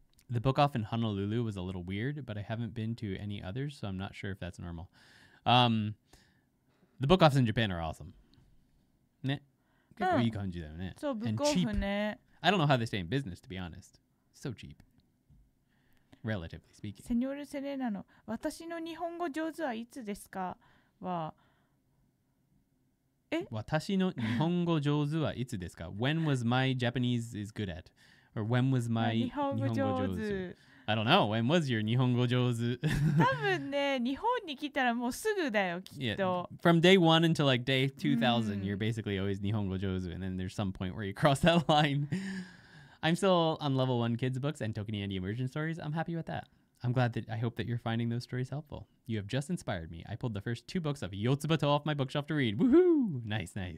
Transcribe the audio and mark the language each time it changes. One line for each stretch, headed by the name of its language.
English: The Book Off in Honolulu was a little weird, but I haven't been to any others, so I'm not sure if that's normal. The Book Offs in Japan are awesome. Ne? Good kanji though, ne? So, Book Off, ne? I don't know how they stay in business, to be honest. So cheap. Relatively speaking.
Japanese: セニョルセレナの私の日本語上手はいつですかは、え？私の日本語上手はいつですか
English: When was my Japanese is good at? Or when was my
Japanese: 日本語上手
English: I don't know. When was your 日本語上手
Japanese: 多分ね、日本に来たらもうすぐだよ、きっと。
English: Yeah. From day one until like day 2000, you're basically always 日本語上手 and then there's some point where you cross that line. I'm still on level one kids books and ToKini Andy Immersion Stories. I'm happy with that. I hope that you're finding those stories helpful. You have just inspired me. I pulled the first two books of Yotsuba To off my bookshelf to read. Woohoo! Nice, nice.